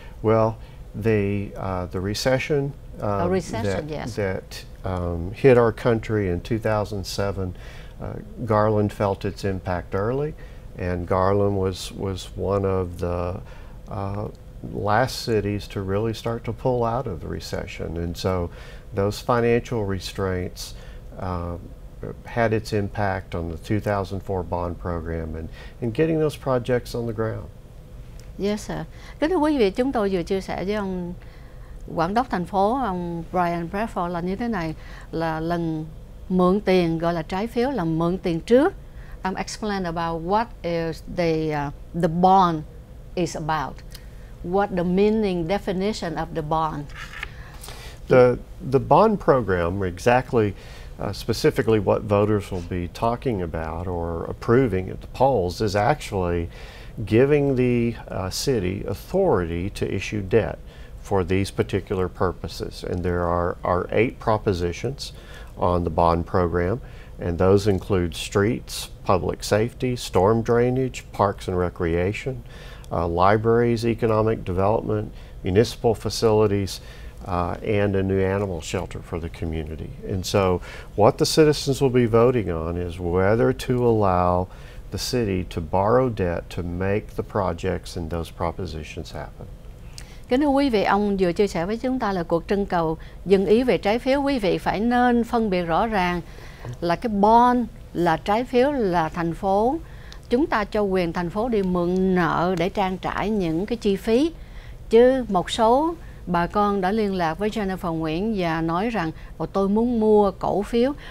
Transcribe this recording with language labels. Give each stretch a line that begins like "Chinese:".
English: Well, the recession, that hit our country in 2007, Garland felt its impact early, and Garland was one of the last cities to really start to pull out of the recession. And so those financial restraints had its impact on the 2004 bond program and getting those projects on the ground. Yes, sir.
Vietnamese: Kính thưa quý vị, chúng tôi vừa chia sẻ với ông Quản đốc thành phố, ông Brian Bradford là như thế này, là lần mượn tiền, gọi là trái phiếu, là mượn tiền trước.
English: I'm explaining about what is the bond is about, what the meaning, definition of the bond. The bond program, exactly specifically what voters will be talking about or approving at the polls, is actually giving the city authority to issue debt for these particular purposes. And there are eight propositions on the bond program, and those include streets, public safety, storm drainage, parks and recreation, libraries, economic development, municipal facilities, and a new animal shelter for the community. And so what the citizens will be voting on is whether to allow the city to borrow debt to make the projects and those propositions happen.
Vietnamese: Kính thưa quý vị, ông vừa chia sẻ với chúng ta là cuộc trưng cầu dân ý về trái phiếu. Quý vị phải nên phân biệt rõ ràng là cái bond là trái phiếu, là thành phố. Chúng ta cho quyền thành phố đi mượn nợ để trang trải những cái chi phí. Chứ một số bà con đã liên lạc với Jennifer Nguyễn và nói rằng tôi muốn mua cổ phiếu.